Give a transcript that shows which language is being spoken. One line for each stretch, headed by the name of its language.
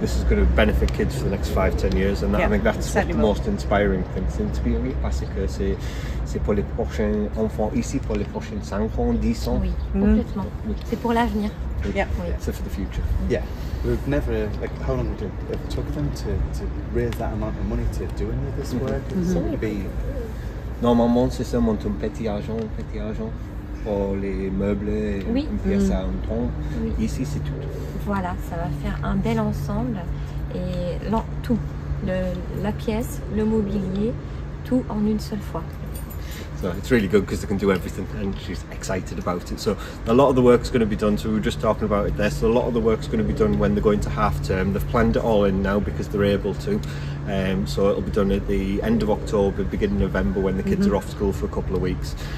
English: This is going to benefit kids for the next 5-10 years, and I think that's what the most inspiring thing to be honest,
French: parce que c'est pour les prochains enfants ici, pour les prochains 5 ans, 10 ans. Oui, complètement. Oui. C'est pour l'avenir.
English: Yeah. So for the future. Yeah. We've never, how long did it took them to raise that amount of money to do any of this work? It's only been.
French: Normalement, c'est seulement un petit argent pour les meubles et pièces à entendre. Oui. Ici, c'est tout. Voilà, ça va faire un bel ensemble et tout, la pièce, le mobilier, tout en une seule fois.
English: So it's really good because they can do everything, and she's excited about it. So a lot of the work's going to be done. So we were just talking about it there. So a lot of the work's going to be done when they're going to half term. They've planned it all in now because they're able to. So it'll be done at the end of October, beginning of November, when the kids are off school for a couple of weeks.